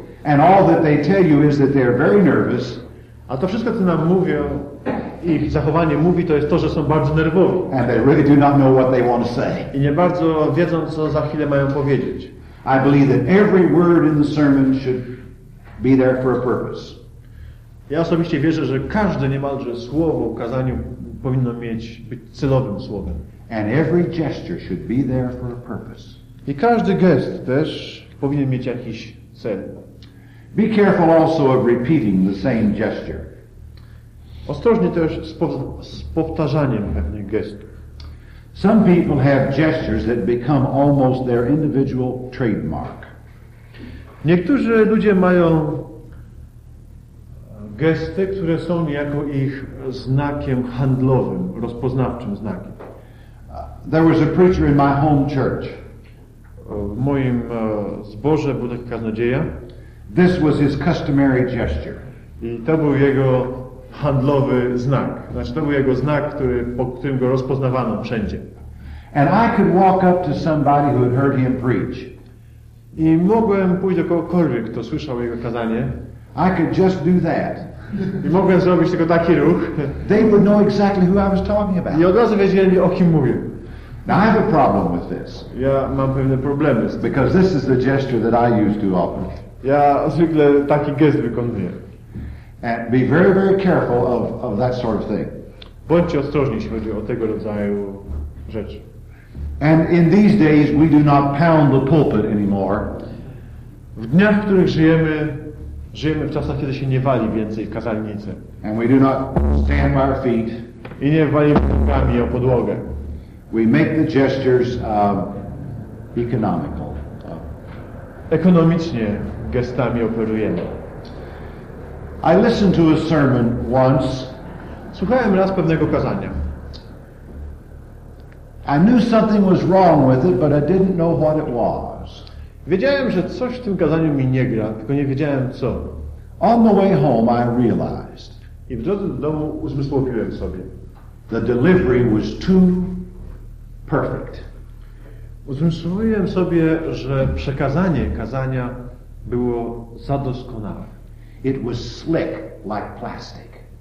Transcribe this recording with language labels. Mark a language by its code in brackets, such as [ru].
[en] And all that they tell you is that they are very nervous. [pl] A to wszystko, co nam mówią, ich zachowanie mówi, to jest to, że są bardzo nerwowi. [en] And they really do not know what they want to say. [pl] I nie bardzo wiedzą, co za chwilę mają powiedzieć. [en] I believe that every word in the sermon should be there for a purpose. [pl] Ja osobiście wierzę, że każde niemalże słowo w kazaniu powinno być celowym słowem. [en] And every gesture should be there for a purpose. [pl] I każdy gest też powinien mieć jakiś cel. [en] Be careful also of repeating the same gesture. [pl] Ostrożnie też z powtarzaniem pewnych gestów. [en] Some people have gestures that become almost their individual trademark. [pl] Niektórzy ludzie mają gesty, które są niejako ich znakiem handlowym, rozpoznawczym znakiem. [en] There was a preacher in my home church. [pl] W moim zborze był taki kaznodzieja. [en] This was his customary gesture. [pl] I to był jego handlowy znak. Znaczy, to był jego znak, po którym go rozpoznawano wszędzie. [en] And I could walk up to somebody who had heard him preach. [pl] I mogłem pójść do kogokolwiek, kto słyszał jego kazanie. [en] I could just do that. [pl] I mogłem zrobić tylko taki ruch. [en] They would know exactly who I was talking about. [pl] I od razu wiedzieli, o kim mówię. [en] Now I have a problem with this. [pl] Ja mam pewne problemy z tym. [en] Because this is the gesture that I use too often. [pl] Ja zwykle taki gest wykonuję. [en] And be very, very careful of that sort of thing. [pl] Bądźcie ostrożni, jeśli chodzi o tego rodzaju rzeczy. [en] And in these days we do not pound the pulpit anymore. [pl] W dniach, w których żyjemy, żyjemy w czasach, kiedy się nie wali więcej w kazalnicy. [en] And we do not stand by our feet. [pl] I nie walimy nogami o podłogę. [en] We make the gestures economical. [pl] Ekonomicznie gestami operujemy. [en] I listened to a sermon once. [pl] Słuchałem raz pewnego kazania. [en] I knew something was wrong with it, but I didn't know what it was. [pl] Wiedziałem, że coś w tym kazaniu mi nie gra, tylko nie wiedziałem co. [en] On the way home I realized. [pl] I w drodze do domu uzmysłowiłem sobie. [en] The delivery was too perfect. [pl] Uzmysłowiłem sobie, że przekazanie kazania było za doskonałe. [en] It was slick like plastic.